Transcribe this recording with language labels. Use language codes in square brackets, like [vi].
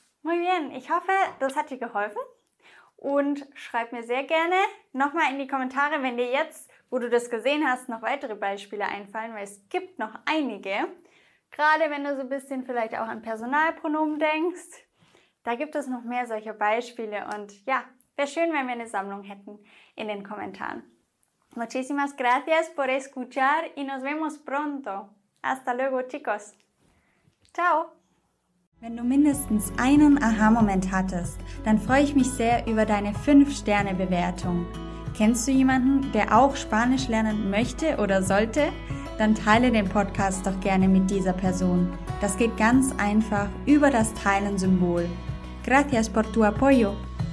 [es] Muy bien, [de] ich hoffe, das hat dir geholfen. Und schreib mir sehr gerne nochmal in die Kommentare, wenn dir jetzt, wo du das gesehen hast, noch weitere Beispiele einfallen, weil es gibt noch einige. Gerade wenn du so ein bisschen vielleicht auch an Personalpronomen denkst, da gibt es noch mehr solcher Beispiele. Und ja, wäre schön, wenn wir eine Sammlung hätten in den Kommentaren. [es] Muchísimas gracias por escuchar y nos vemos pronto. Hasta luego, chicos. Ciao. [de] Wenn du mindestens einen Aha-Moment hattest, dann freue ich mich sehr über deine 5-Sterne-Bewertung. Kennst du jemanden, der auch Spanisch lernen möchte oder sollte? Dann teile den Podcast doch gerne mit dieser Person. Das geht ganz einfach über das Teilen-Symbol. [es] Gracias por tu apoyo.